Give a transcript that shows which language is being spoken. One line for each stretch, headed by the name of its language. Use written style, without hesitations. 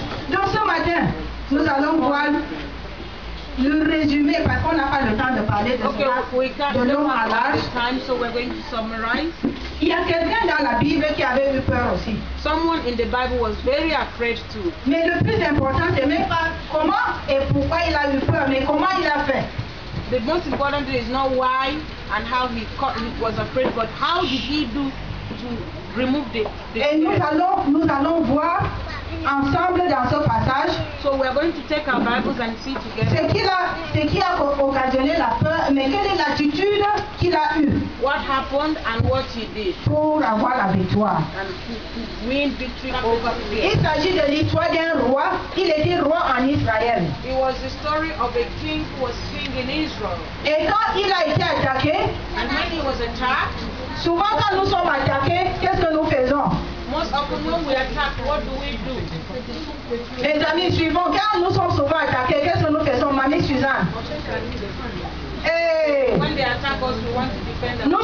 French: Donc ce matin, nous allons voir le résumé parce qu'on n'a pas le temps de parler de l'homme à l'âge. Il y a quelqu'un dans la Bible qui avait eu peur aussi.
English: Someone in the Bible was very afraid too.
French: Mais le plus important, ce n'est pas comment et pourquoi il a eu peur, mais comment il a fait.
English: The most important thing is not why and how he was afraid, but how did he do to remove the
French: et nous allons voir ensemble dans ce passage.
English: So we are going to take our Bibles and see together.
French: Ce qui a occasionné la peur, mais quelle est l'attitude qu'il a eue?
English: What happened and what he did?
French: Pour avoir la victoire.
English: To win victory over fear.
French: Il s'agit de l'histoire d'un roi. Il était roi en Israël.
English: It was the story of a king who was king in Israel.
French: Et quand il a été attaqué,
English: and when he was attacked.
French: Souvent quand nous sommes attaqués, qu'est-ce que nous faisons?
English: Most often when we attack, what do we do?
French: Les amis suivants, quand nous sommes souvent attaqués, qu'est-ce que nous faisons? Mamie Suzanne.
English: When they attack us, we want to defend ourselves.